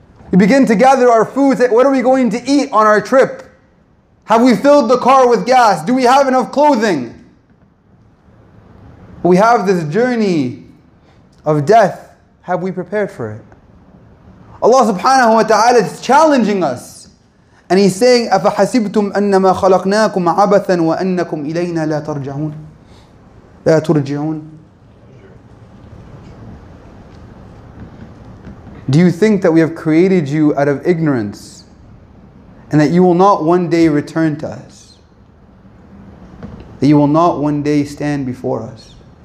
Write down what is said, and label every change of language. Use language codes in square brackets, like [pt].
[en] We begin to gather our food, say, what are we going to eat on our trip? Have we filled the car with gas? Do we have enough clothing? We have this journey of death. Have we prepared for it? Allah subhanahu wa ta'ala is challenging us. And he's saying, [ar] أَفَحَسِبْتُمْ أَنَّمَا خَلَقْنَاكُمْ عَبَثًا وَأَنَّكُمْ إِلَيْنَا لَا تَرْجَعُونَ لَا تُرْجِعُونَ. [en] Do you think that we have created you out of ignorance and that you will not one day return to us? That you will not one day stand before us?